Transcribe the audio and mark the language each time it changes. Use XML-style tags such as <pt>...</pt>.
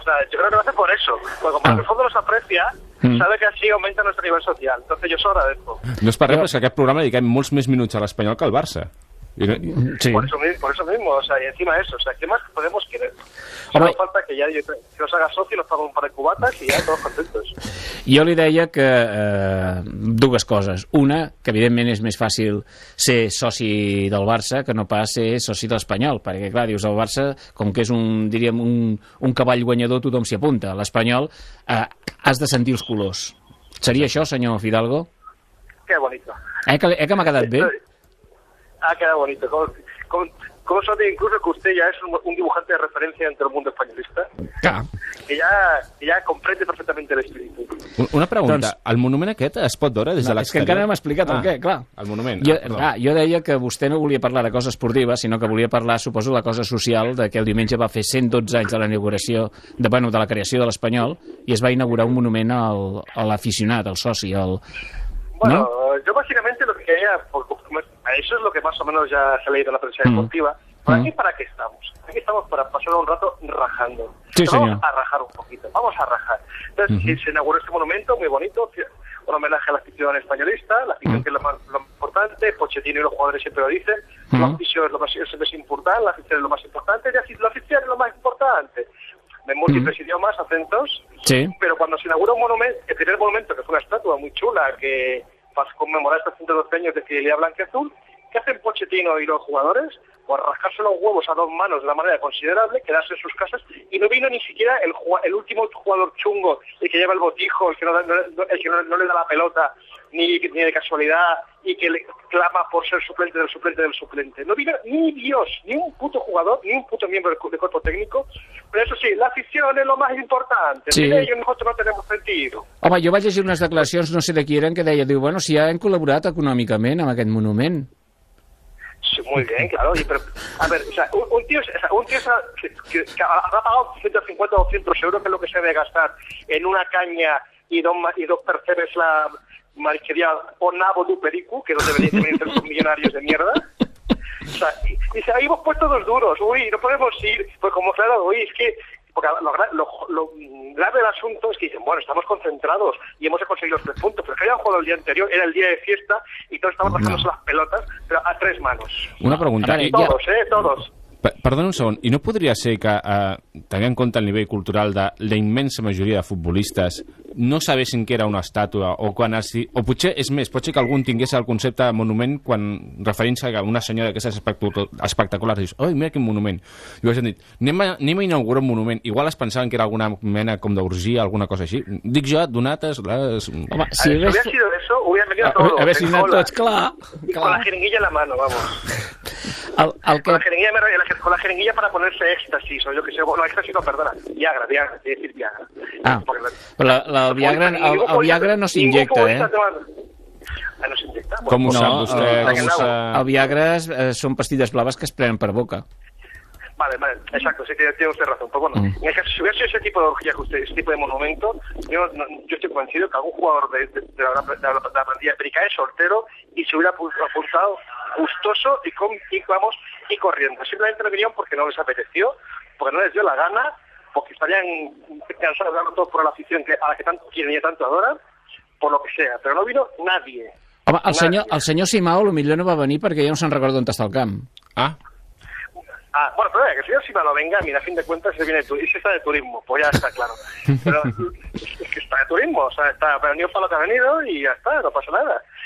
<es>Yo creo que lo hace por eso, porque como en el fondo nos aprecia... Sabe que así aumenta nuestro nivel social. Entonces yo solo agradezco. No es para pero...</es> <ca>Es que aquest programa dediquem molts més minuts a l'Espanyol que al Barça. Sí.</ca> <es>Por eso mismo, o sea, y encima eso. O sea, ¿qué más podemos querer? Solo falta que ya yo os haga socio y nos pago un par de cubatas y ya todos contentos.</es> <ca>Jo li deia que dues coses. Una, que evidentment és més fàcil ser soci del Barça que no pas ser soci de l'Espanyol, perquè, clar, dius, el Barça, com que és un, diríem, un cavall guanyador, tothom s'hi apunta. L'Espanyol, has de sentir els colors. Seria això, senyor Fidalgo?</ca> <es>Que bonito.</es> <ca>Que m'ha quedat bé? Ha quedat</ca> <es>bonito.</es> <ca>Com s'ha dit,</ca> <es>incluso que usted ya es un dibujante de referencia entre el mundo españolista.</es> <ca>Clar.</ca> <es>Que ya comprende perfectamente el espíritu. Una pregunta.</es> <ca>Doncs, el monument aquest es pot veure des de l'exterior? És que encara no m'ha explicat el què, clar. El monument. Jo deia que vostè no volia parlar de cosa esportiva, sinó que volia parlar, suposo, de la cosa social, de que el diumenge va fer 112 anys de la inauguració, de la creació de l'Espanyol, i es va inaugurar un monument a l'aficionat, al soci, al...</ca> <es>Bueno, yo básicamente lo que quería, eso es lo que más o menos ya se ha leído en la prensa deportiva. ¿Por aquí para qué estamos? Aquí estamos para pasar un rato rajando. Sí, señor. Vamos a rajar un poquito, vamos a rajar. Entonces, se inauguró este monumento, muy bonito, un homenaje a la afición españolista, la afición que es lo más importante, Pochettino y los jugadores siempre lo dicen, la afición es importante, la afición es lo más importante, y así, la afición es lo más importante. De múltiples idiomas, acentos. Sí. Pero cuando se inaugura un monumento, el primer monumento, que fue una estatua muy chula, que va a conmemorar estos 112 años de fidelidad blanquiazul, ¿qué hacen Pochettino y los jugadores? Pues rascarse los huevos a dos manos de una manera considerable, quedarse en sus casas, y no vino ni siquiera el último jugador chungo, el que lleva el botijo, el que no le da la pelota, ni de casualidad, y que le clama por ser suplente del suplente del suplente. No vino ni Dios, ni un puto jugador, ni un puto miembro del cuerpo técnico. Pero eso sí, la afición es lo más importante. Sí. Sin ellos nosotros no tenemos sentido.</es> <ca>Home, jo vaig llegir unes declaracions, no sé de qui eren, que deia, diu, bueno, si ja hem col·laborat econòmicament amb aquest monument.</ca> <es>Sí, muy bien, claro. Pero, a ver, o sea, un tío que ha pagado 150 o 200 euros, que es lo que se debe gastar en una caña y dos percebes la... marchería o nabo du pericu, que no deberían venir entre esos millonarios de mierda. O sea, dice, ahí hemos puesto dos duros, uy, no podemos ir. Pues como claro, uy, es que... Porque lo grave del asunto es que dicen, bueno, estamos concentrados y hemos conseguido los tres puntos, pero es que habían jugado el día anterior, era el día de fiesta, y todos estaban bajándose las pelotas, pero a tres manos. Una pregunta. Todos, todos.</es> <ca>Perdona un segon, i no podria ser que, tenint en compte el nivell cultural de la immensa majoria de futbolistes, no sabessin que era una estàtua, o potser és més, potser que algun tingués el concepte de monument quan referint-se a una senyora d'aquestes espectaculars, dius, oi, mira quin monument. I ho hagin dit, anem a inaugurar un monument. Igual es pensaven que era alguna mena com d'orgia, alguna cosa així. Dic jo, donates... Les... Home, si hagués</ca> <es>sido eso, hubieran venido todos.</es> <ca>Hagués anat tots, clar.</ca> <es>Con la jeringuilla en la mano, vamos. Con la jeringuilla, para ponerse éxtasis, o yo que sé, bueno, éxtasis no, perdona, Viagra, es decir, Viagra.</es> <ca>Ah, però el Viagra, el Viagra no s'injecta, no s'injecta? Com ho sap vostè? El Viagra són pastilles blaves que es prenen per boca.</ca> <es>Vale, exacto, sí que tiene usted razón. Pues bueno, en caso, si hubiera sido ese tipo de orgía que usted, ese tipo de monumento, yo estoy convencido que algún jugador de la plantilla perica es soltero y se hubiera apuntado gustoso y corriendo. Simplemente no vinieron porque no les apeteció, porque no les dio la gana, porque estarían cansados de darlo todo por la afición a la que tanto quieren y tanto adoran, por lo que sea, pero no vino nadie.</es> <ca>Home, el senyor Simao lo millor no va venir perquè ja no se'n recorda on està el camp. Ah,</ca> <es>bueno, pero que el señor Simao venga, mira, a fin de cuentas se viene y se está de turismo, pues ya está claro. Pero es que está de turismo, o sea, está venido para lo que ha venido y ya está, no pasa nada.</es>